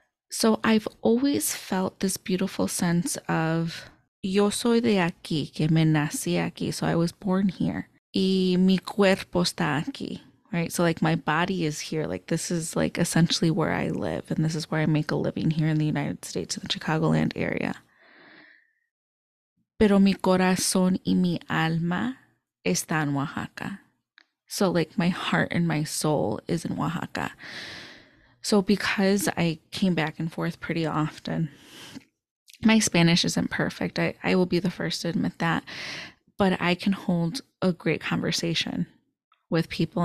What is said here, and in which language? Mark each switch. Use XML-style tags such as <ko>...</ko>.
<en>So I've always felt this beautiful sense of</en> <es>yo soy de aquí, que me nací aquí,</es> <en>so I was born here.</en> <es>Y mi cuerpo está aquí,</es> <en>right? So like my body is here, like this is like essentially where I live and this is where I make a living here in the United States in the Chicagoland area.</en> <es>Pero mi corazón y mi alma está en Oaxaca.</es> <en>So like my heart and my soul is in Oaxaca. So because I came back and forth pretty often, my Spanish isn't perfect. I will be the first to admit that, but I can hold a great conversation with people.</en>